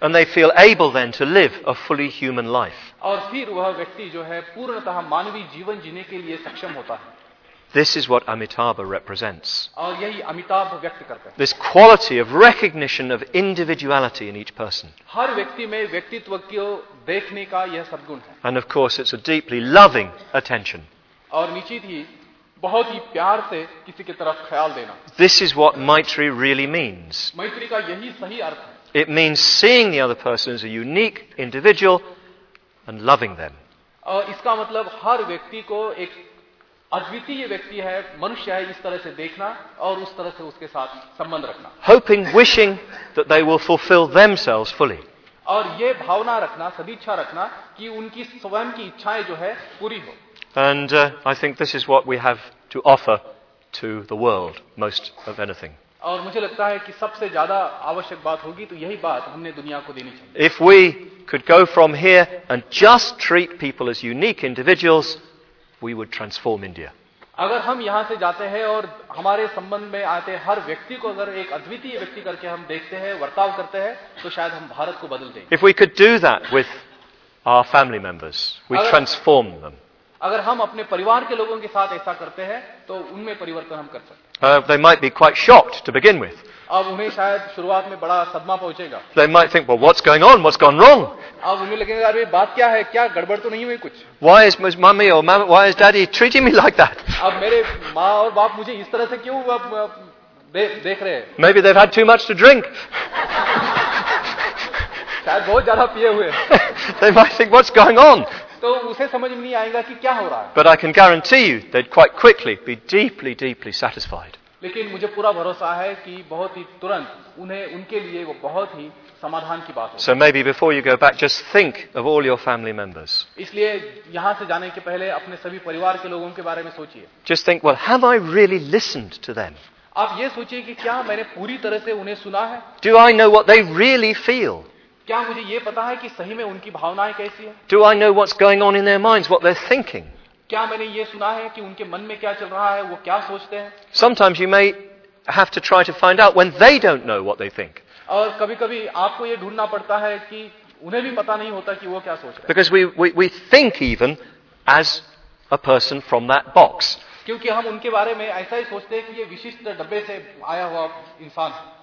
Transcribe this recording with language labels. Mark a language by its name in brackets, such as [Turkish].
[English] And they feel able then to live a fully human life. [Hindi] और फिर वह व्यक्ति जो है पूर्णतः मानवीय जीवन जीने के लिए सक्षम होता है. [English] This is what Amitabha represents. [Hindi] और यही अमिताभ व्यक्त करते हैं. [English] This quality of recognition of individuality in each person. [Hindi] हर व्यक्ति में व्यक्तित्व को देखने का यह सद्गुण है. [English] And of course, it's a deeply loving attention. [Hindi] और निश्चित ही बहुत ही प्यार से किसी की तरफ ख्याल देना. [English] This is what Maitri really means. [Hindi] मैत्री का यही सही अर्थ है. [English] It means seeing the other person as a unique individual and loving them. [Hindi] इसका मतलब हर व्यक्ति को एक अद्वितीय व्यक्ति है, मनुष्य है, इस तरह से देखना और उस तरह से उसके साथ संबंध रखना. [English] Hoping, wishing that they will fulfill themselves fully. [Hindi] और ये भावना रखना, सदिच्छा रखना कि उनकी स्वयं की इच्छाएं जो है पूरी हो. [English] And I think this is what we have to offer to the world most of anything. [Hindi] और मुझे लगता है कि सबसे ज्यादा आवश्यक बात होगी तो यही बात हमने दुनिया को देनी चाहिए. [English] If we could go from here and just treat people as unique individuals, we would transform India. [Hindi] अगर हम यहाँ से जाते हैं और हमारे संबंध में आते हर व्यक्ति को अगर एक अद्वितीय व्यक्ति करके हम देखते हैं, वर्ताव करते हैं, तो शायद हम भारत को बदल देंगे. [English] If we could do that with our family members, we transform them. [Hindi] अगर हम अपने परिवार के लोगों के साथ ऐसा करते हैं तो उनमें परिवर्तन हम कर सकते हैं. [English] They might be quite shocked to begin with. [Hindi] अब उन्हें शायद शुरुआत में बड़ा सदमा पहुंचेगा. [English] They might think, well, what's going on? What's gone wrong? [Hindi] अब उन्हें लगेगा, अरे बात क्या है? क्या गड़बड़ तो नहीं हुई कुछ? [English] Why is mommy or mama, why is daddy treating me like that? [Hindi] अब मेरे माँ और बाप मुझे इस तरह से क्यों देख रहे हैं? [English] Maybe they've had too much to drink. [Hindi] शायद बहुत ज्यादा पिए हुए. [English] They might think, what's going on? [Hindi] तो उसे समझ नहीं आएगा कि क्या हो रहा है. [English] But I can guarantee you they'd quite quickly be deeply, deeply satisfied. [Hindi] लेकिन मुझे पूरा भरोसा है कि बहुत ही तुरंत उन्हें उनके लिए वो बहुत ही समाधान की बात होगी. [English] So maybe before you go back, just think of all your family members. [Hindi] इसलिए यहाँ से जाने के पहले अपने सभी परिवार के लोगों के बारे में सोचिए. [English] Just think, well, have I really listened to them? [Hindi] आप ये सोचिए कि क्या मैंने पूरी तरह से उन्हें सुना है? [English] Do I know what they really feel? [Hindi] क्या मुझे ये पता है कि सही में उनकी भावनाएं कैसी हैं? [English] Do I know what's going on in their minds, what they're thinking? [Hindi] क्या मैंने ये सुना है कि उनके मन में क्या चल रहा है, वो क्या सोचते हैं? [English] Sometimes you may have to try to find out when they don't know what they think. [Hindi] और कभी-कभी आपको ये ढूंढना पड़ता है कि उन्हें भी पता नहीं होता कि वो क्या सोच रहे हैं. [English] Because we think even as a person from that box. [Hindi] क्योंकि हम उनके बारे में ऐसा ही सोचते हैं कि ये विशिष्ट डब्बे से आया हुआ इंसान है.